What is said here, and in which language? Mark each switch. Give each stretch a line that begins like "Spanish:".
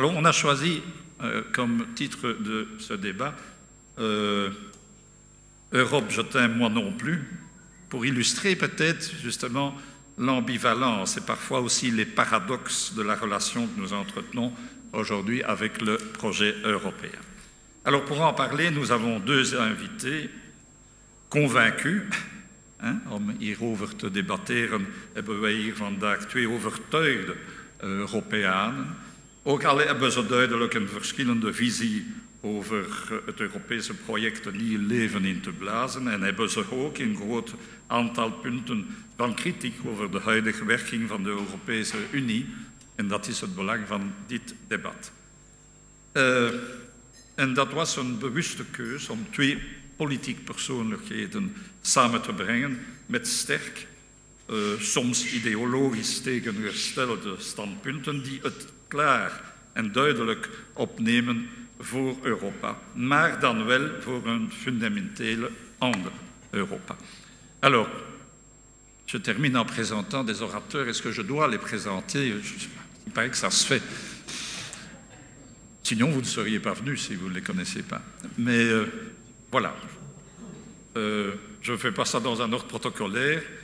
French: Alors, on a choisi comme titre de ce débat « Europe, je t'aime, moi non plus », pour illustrer peut-être justement l'ambivalence et parfois aussi les paradoxes de la relation que nous entretenons aujourd'hui avec le projet européen. Alors, pour en parler, nous avons deux invités convaincus.
Dutch: Om hier over te debatteren, hebben wij hier vandaag twee overtuigde Europeanen. Ook al hebben ze duidelijk een verschillende visie over het Europese project een nieuw leven in te blazen en hebben ze ook een groot aantal punten van kritiek over de huidige werking van de Europese Unie. En dat is het belang van dit debat. En dat was een bewuste keus om twee politiek persoonlijkheden samen te brengen met sterk, soms ideologisch tegengestelde standpunten die het klaar en duidelijk opnemen voor Europa, maar dan wel voor een fundamentele andere Europa.
French: Alors, je termine en présentant des orateurs. Est-ce que je dois les présenter? Il paraît que ça se fait. Sinon, vous ne seriez pas venus si vous ne les connaissez pas. Mais voilà. Je ne fais pas ça dans un ordre protocolaire.